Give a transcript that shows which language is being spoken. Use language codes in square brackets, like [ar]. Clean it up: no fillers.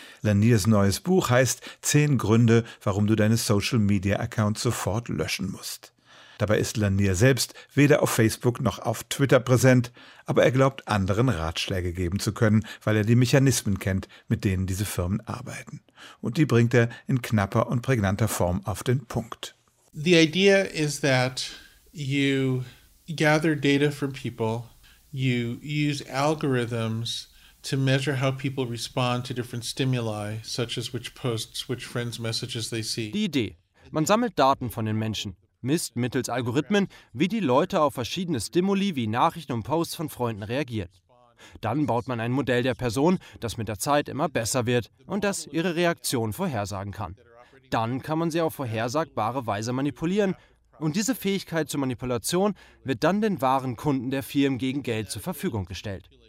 [de] Laniers neues Buch heißt 10 Gründe, warum du deine Social-Media-Accounts sofort löschen musst. Dabei ist Lanier selbst weder auf Facebook noch auf Twitter präsent, aber er glaubt, anderen Ratschläge geben zu können, weil er die Mechanismen kennt, mit denen diese Firmen arbeiten. Und die bringt er in knapper und prägnanter Form auf den Punkt. [en] The idea is that you gather data from people, you use algorithms to measure how people respond to different stimuli, such as which posts, which friends' messages they see. [de] Die Idee: Man sammelt Daten von den Menschen, misst mittels Algorithmen, wie die Leute auf verschiedene Stimuli wie Nachrichten und Posts von Freunden reagieren. Dann baut man ein Modell der Person, das mit der Zeit immer besser wird und das ihre Reaktion vorhersagen kann. Dann kann man sie auf vorhersagbare Weise manipulieren. Und diese Fähigkeit zur Manipulation wird dann den wahren Kunden der Firmen gegen Geld zur Verfügung gestellt.